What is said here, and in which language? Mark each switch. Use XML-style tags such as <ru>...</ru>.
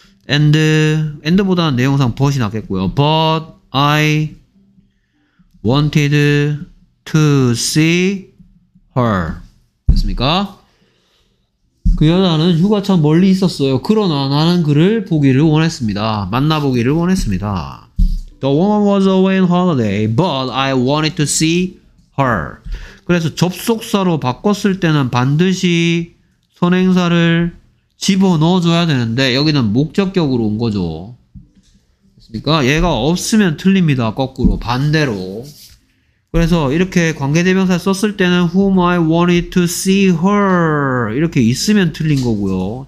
<ko>And보다는 내용상 but이 낫겠고요.</ko> <en>But I wanted to see her.</en> <ko>됐습니까? 그 여자는 휴가차 멀리 있었어요. 그러나 나는 그를 보기를 원했습니다. 만나보기를 원했습니다.</ko> <en>The woman was away on holiday, but I wanted to see her.</en> <ko>그래서 접속사로 바꿨을 때는 반드시 선행사를 집어넣어줘야 되는데 여기는 목적격으로 온 거죠. 됐습니까? 얘가 없으면 틀립니다. 거꾸로 반대로. 그래서 이렇게 관계대명사 썼을 때는</ko> <en>whom I wanted to see her</en> <ko>이렇게 있으면 틀린 거고요.</ko>